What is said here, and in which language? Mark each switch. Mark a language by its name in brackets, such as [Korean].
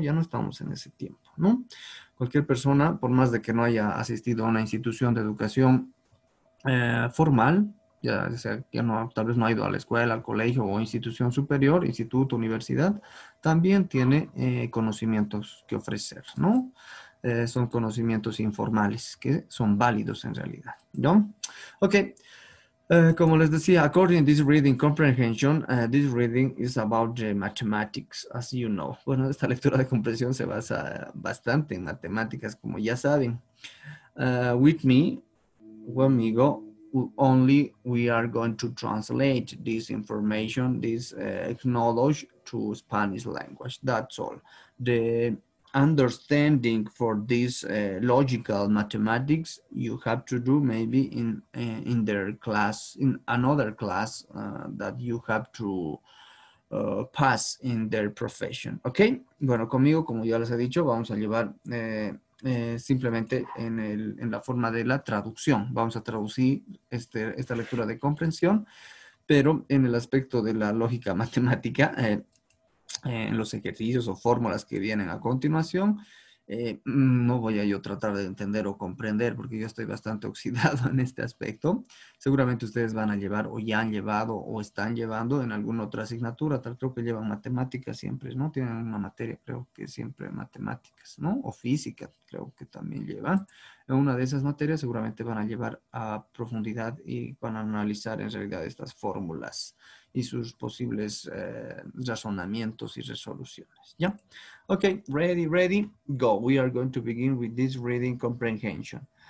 [Spanish] Ya no estamos en ese tiempo, ¿no? Cualquier persona, por más de que no haya asistido a una institución de educación formal, ya sea que no, tal vez no ha ido a la escuela, al colegio o institución superior, instituto, universidad, también tiene conocimientos que ofrecer, ¿no? Son conocimientos informales que son válidos en realidad, ¿no? Ok, Como les decía, [English] according to this reading comprehension, this reading is about the mathematics, as you know. [Spanish] Bueno, esta lectura de comprensión se basa bastante en matemáticas, como ya saben. [English] With me, [Spanish] conmigo, [English] only we are going to translate this information, this knowledge to Spanish language. That's all. The understanding for this logical mathematics you have to do maybe in their class, in another class that you have to pass in their profession. [Spanish] Okay, bueno, conmigo, como ya les he dicho, vamos a llevar simplemente en la forma de la traducción. Vamos a traducir esta lectura de comprensión, pero en el aspecto de la lógica matemática, en los ejercicios o fórmulas que vienen a continuación, no voy a yo tratar de entender o comprender porque yo estoy bastante oxidado en este aspecto. Seguramente ustedes van a llevar o ya han llevado o están llevando en alguna otra asignatura, tal creo que llevan matemáticas siempre, ¿no? Tienen una materia, creo que siempre matemáticas, ¿no? O física, creo que también llevan. En una de esas materias seguramente van a llevar a profundidad y van a analizar en realidad estas fórmulas y sus posibles razonamientos y resoluciones, ¿ya? [English] Ok, ready, ready, go. We are going to begin with this reading comprehension.